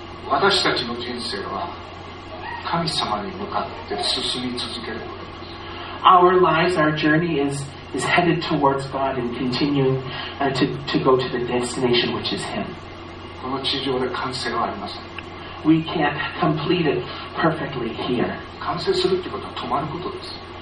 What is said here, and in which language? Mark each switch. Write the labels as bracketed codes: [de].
[ja] 私たちの人生は神様に向かって進み続ける。 [en] Our lives, our journey is headed towards God and continuing to go to the destination which is Him. [ja] この地上で完成はありません。 [en] We can't complete it perfectly here. [ja] 完成するってことは止まることです。